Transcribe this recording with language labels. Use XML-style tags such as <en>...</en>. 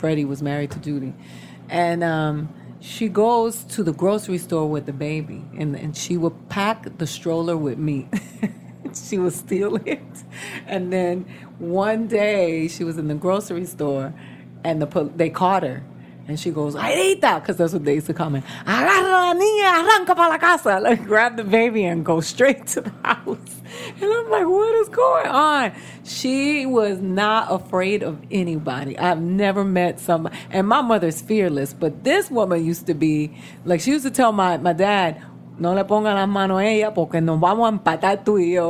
<en>Freddie was married to Judy. And she goes to the grocery store with the baby, and she would pack the stroller with meat. She would steal it. And then one day she was in the grocery store, and they caught her. And she goes, I hate that. Because that's what they used to call me.</en> <es>Agarra la niña, arranca para la casa.</es> <en>Like, grab the baby and go straight to the house. And I'm like, what is going on? She was not afraid of anybody. I've never met somebody. And my mother's fearless. But this woman used to be, like, she used to tell my dad,</en> <es>no le ponga la mano a ella porque nos vamos a empatar tú y yo.</es>